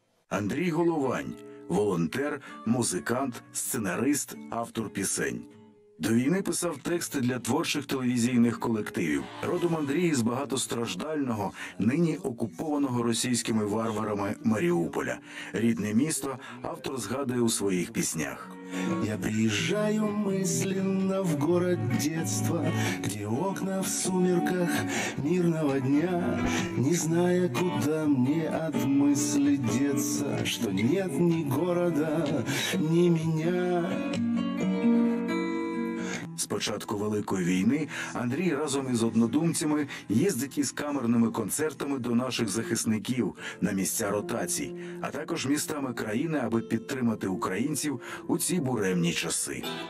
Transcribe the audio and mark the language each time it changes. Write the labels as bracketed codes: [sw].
[uk] Андрій Головань – волонтер, музикант, сценарист, автор пісень. До війни писав тексти для творчих телевізійних колективів. Родом Андрій з багатостраждального, нині окупованого російськими варварами Маріуполя. Рідне місто автор згадує у своїх піснях. [ru] Я приїжджаю мисленно в город детства, где окна в сумерках мирного дня, не зная, куда мне от мысли деться, что нет ни города, ни меня. [uk] З початку Великої війни Андрій разом із однодумцями їздить із камерними концертами до наших захисників на місця ротацій, а також містами країни, аби підтримати українців у ці буремні часи.